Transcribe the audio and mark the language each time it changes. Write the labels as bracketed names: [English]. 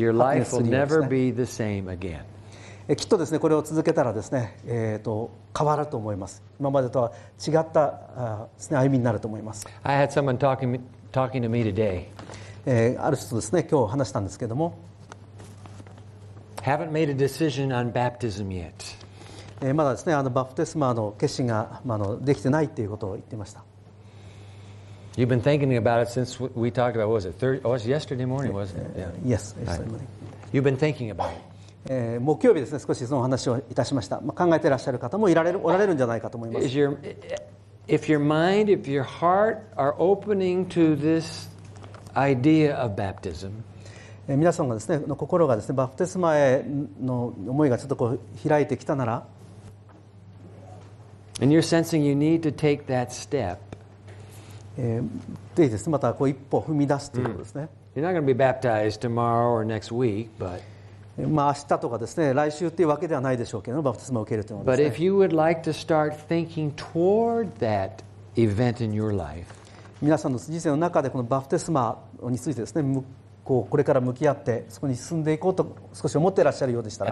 [English] Your life will never be the same again. [Japanese] きっとですね、これを続けたらですね、変わると思います。今までとは違ったですね、歩みになると思います。 [English] I had someone talking to me today. [Japanese] ある人とですね、今日話したんですけども、 [English] Haven't made a decision on baptism yet [Japanese] まだですね、バプテスマの決心が、まあ、できてないということを言っていました。 [English] You've been thinking about it since we talked about, what was it? Oh, it was yesterday morning, wasn't it? Yeah. Yes, yesterday morning. You've been thinking about it. [Japanese] 木曜日ですね、少しその話をいたしました。まあ、考えていらっしゃる方もおられるんじゃないかと思います。 [English] If your mind, if your heart are opening to this idea of baptism, [Japanese] 皆さんがですね、の心がですね、バプテスマへの思いがちょっとこう開いてきたなら、 [English] And you're sensing you need to take that step. [Japanese] でですね、またこう一歩踏み出すということですね。 [English] You're not going to be baptized tomorrow or next week, but [Japanese] まあ明日とかですね、来週っていうわけではないでしょうけど、バプテスマを受けるというのはです [English] ね。But if you would like to start thinking toward that event in your life, [Japanese] 皆さんの人生の中でこのバプテスマについてですね、こうこれから向き合ってそこに進んでいこうと少し思っていらっしゃるようでしたら、